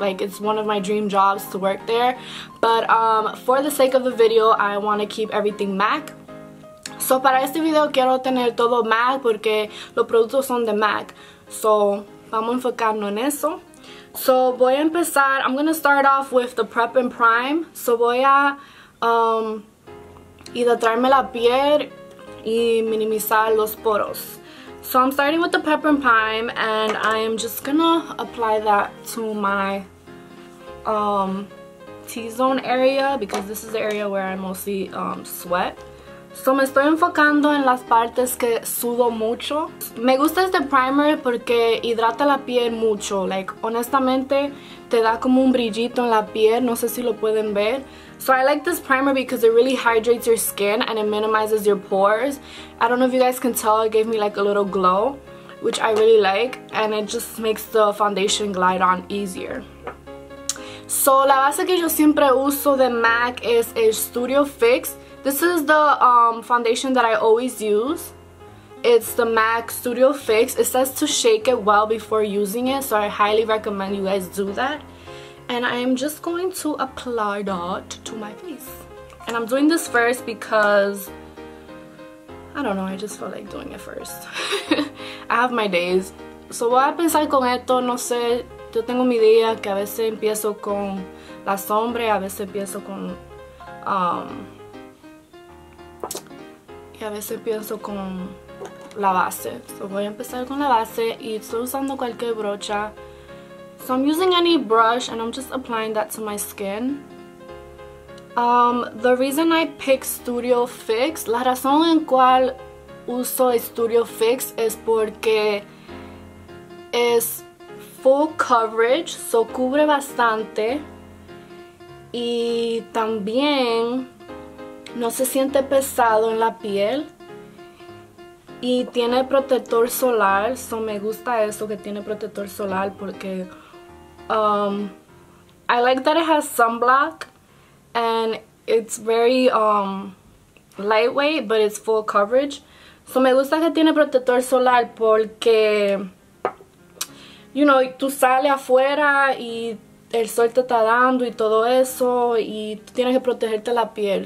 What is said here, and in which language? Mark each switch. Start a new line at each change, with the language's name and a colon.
English: Like, it's one of my dream jobs to work there. But for the sake of the video, I want to keep everything MAC.
Spanish: So para este video quiero tener todo MAC porque los productos son de MAC. So vamos a enfocarnos en eso. So voy a empezar.
English: I'm gonna start off with the prep and prime.
Spanish: So voy a hidratarme la piel y minimizar los poros.
English: So I'm starting with the prep and prime, and I am just gonna apply that to my T-zone area because this is the area where I mostly sweat.
Spanish: So me estoy enfocando en las partes que sudo mucho. Me gusta este primer porque hidrata la piel mucho. Like, honestamente, te da como un brillito en la piel. No sé si lo pueden ver.
English: So I like this primer because it really hydrates your skin and it minimizes your pores. I don't know if you guys can tell, it gave me like a little glow, which I really like. And it just makes the foundation glide on easier.
Spanish: So la base que yo siempre uso de MAC es el Studio Fix.
English: This is the foundation that I always use. It's the MAC Studio Fix. It says to shake it well before using it, so I highly recommend you guys do that. And I'm just going to apply that to my face. And I'm doing this first because, I don't know, I just feel like doing it first. I have my days.
Spanish: So voy a pensar con esto, no sé, yo tengo mi idea que a veces empiezo con la sombra, a veces empiezo con, a veces pienso con la base. So voy a empezar con la base y estoy usando cualquier brocha.
English: So I'm using any brush and I'm just applying that to my skin. The reason I pick Studio Fix,
Spanish: la razón en cual uso Studio Fix es porque es full coverage, so cubre bastante y también no se siente pesado en la piel y tiene protector solar. So me gusta eso, que tiene protector solar, porque
English: I like that it has sunblock and it's very lightweight, but it's full coverage.
Spanish: So me gusta que tiene protector solar porque,
English: you know,
Spanish: tú sales afuera y el sol te está dando y todo eso y tienes que protegerte la piel.